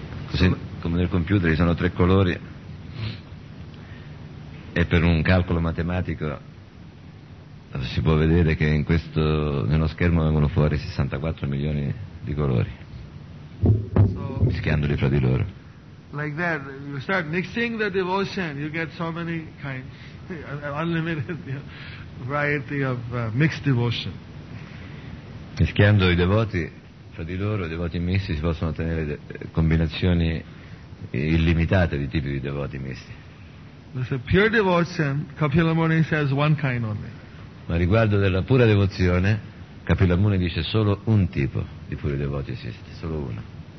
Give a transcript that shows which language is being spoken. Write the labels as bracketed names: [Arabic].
[Italian] Così, come nel computer, ci sono tre colori. E per un calcolo matematico si può vedere che in questo nello schermo vengono fuori 64 milioni di colori, so, mischiandoli fra di loro. [English] Like that, you start mixing the devotion, you get so many kinds, unlimited variety of mixed devotion. [Italian] Mischiando i devoti fra di loro, i devoti misti, si possono ottenere combinazioni illimitate di tipi di devoti misti. [English] There's a pure devotion, Kapila Muni says one kind only. [Italian] Ma riguardo della pura devozione, Kapila Muni dice solo un tipo di puri devoti esiste, solo uno.